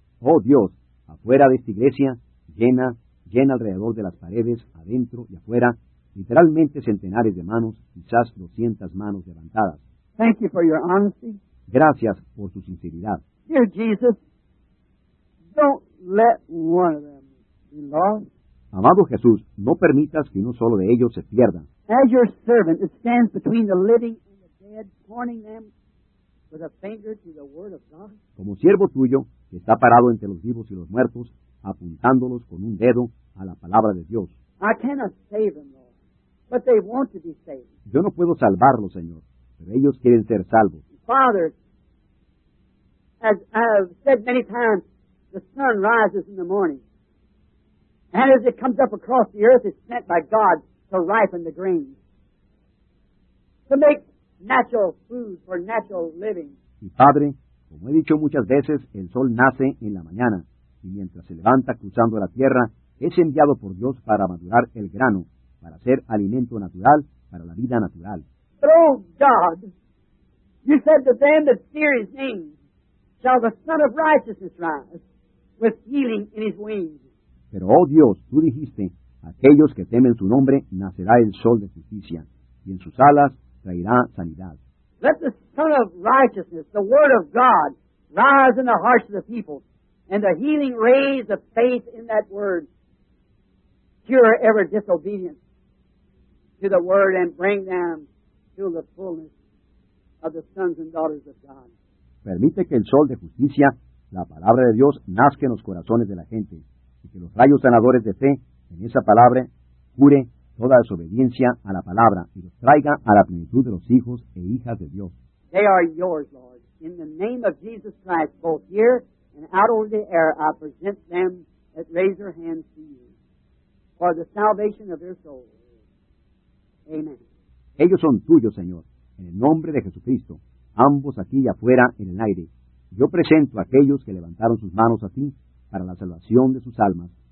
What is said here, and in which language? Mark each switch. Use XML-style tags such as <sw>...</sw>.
<es>Oh, Dios. Afuera de esta iglesia, llena alrededor de las paredes, adentro y afuera, literalmente centenares de manos, quizás 200 manos levantadas.</es> <en>Thank you for your honesty.</en> <es>Gracias por su sinceridad.</es> <en>Dear Jesus, don't let one of them be lost.</en> <es>Amado Jesús, no permitas que uno solo de ellos se pierda.</es> <en>As your servant stands between the living and the dead, pointing them with a finger to the word of God.</en> <es>Como siervo tuyo, que está parado entre los vivos y los muertos, apuntándolos con un dedo a la palabra de Dios.</es> <en>I cannot save them, Lord, but they want to be saved.</en> <es>Yo no puedo salvarlos, Señor, pero ellos quieren ser salvos.</es> <en>Father, as I have said many times, the sun rises in the morning, and as it comes up across the earth, it's sent by God to ripen the grain, to make natural food for natural living.</en> <es>Y Padre, como he dicho muchas veces, el sol nace en la mañana, y mientras se levanta cruzando la tierra, es enviado por Dios para madurar el grano, para ser alimento natural, para la vida natural. Pero,</es> <en>oh God, you said to them that fear his name, shall the Son of Righteousness rise with healing in his wings.</en> <es>Pero, oh Dios, tú dijiste, aquellos que temen su nombre, nacerá el sol de justicia, y en sus alas traerá sanidad.</es> <en>Let the Son of Righteousness, the Word of God, rise in the hearts of the people, and the healing rays of faith in that Word cure every disobedience to the Word and bring them to the fullness of the sons and daughters of God.</en> <es>Permite que el sol de justicia, la palabra de Dios, nazca en los corazones de la gente, y que los rayos sanadores de fe en esa palabra cure toda desobediencia a la palabra y los traiga a la plenitud de los hijos e hijas de Dios.</es> <en>They are yours, Lord. In the name of Jesus Christ, both here and out over the air, I present them that raise their hands to you for the salvation of their souls. Amen.</en> <es>Ellos son tuyos, Señor. En el nombre de Jesucristo, ambos aquí y afuera en el aire, yo presento a aquellos que levantaron sus manos a ti para la salvación de sus almas.</es>